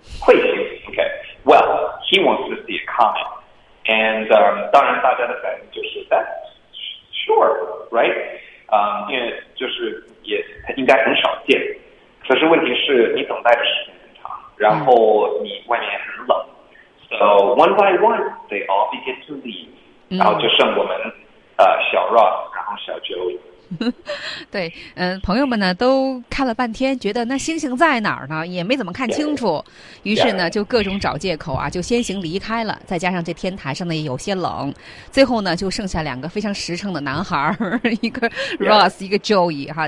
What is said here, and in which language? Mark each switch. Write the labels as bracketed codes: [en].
[zh] 彗星， [en] okay. Well, he wants to see a comet. And [zh] 当然大家的反应就是 [en] that's sure, right? [zh] 因为就是也应该很少见，可是问题是你等待的时间很长，然后你外面很冷。 [en] So one by one, they all begin to leave. [zh] 然后就剩我们小 Ross, 然后小 Joey。对，朋友们呢都看了半天，觉得那星星在哪儿呢？也没怎么看清楚。于是呢，就各种找借口啊，就先行离开了。再加上这天台上呢也有些冷，最后呢就剩下两个非常实诚的男孩，一个 Ross， 一个 Joey 哈。